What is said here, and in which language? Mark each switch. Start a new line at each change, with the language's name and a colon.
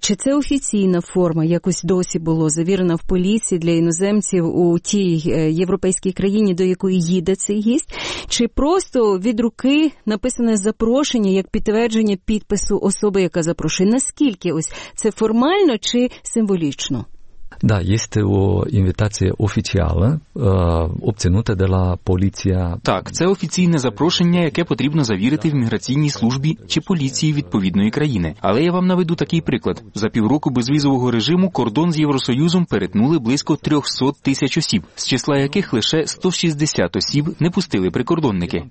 Ukrainian: Чи це офіційна форма, якось досі було завірена в поліції для іноземців у тій європейській країні, до якої їде цей гість? Чи просто від руки написане запрошення, як підтвердження підпису особи, яка запрошує? Наскільки ось це формально чи символічно?
Romanian: Да, este o invitație oficială, obținută de la poliția.
Ukrainian: Так, це офіційне запрошення, яке потрібно завірити в міграційній службі чи поліції відповідної країни. Але я вам наведу такий приклад. За півроку безвізового режиму кордон з Євросоюзом перетнули близько 300 тисяч осіб, з числа яких лише 160 осіб не пустили прикордонники.